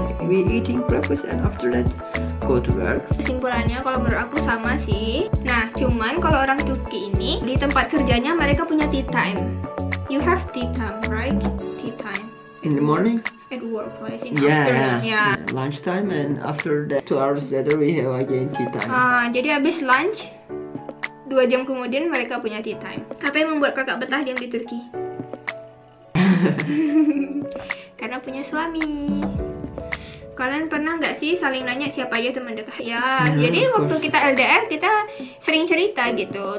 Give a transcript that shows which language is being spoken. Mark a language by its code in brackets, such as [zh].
[en] We eating breakfast and after that go to work. [id] Kesimpulannya kalau menurut aku sama sih. Nah, cuman kalau orang Turki ini di tempat kerjanya mereka punya tea time. [en] You have tea time, right? Tea time. In the morning? At work, I think. Yeah. Lunch time and after that 2 hours later we have again tea time. [id] Jadi habis lunch 2 jam kemudian mereka punya tea time. Apa yang membuat kakak betah diam di Turki? Karena punya suami. Kalian pernah nggak sih saling nanya siapa aja teman dekat? Ya, jadi waktu kita LDR kita sering cerita gitu.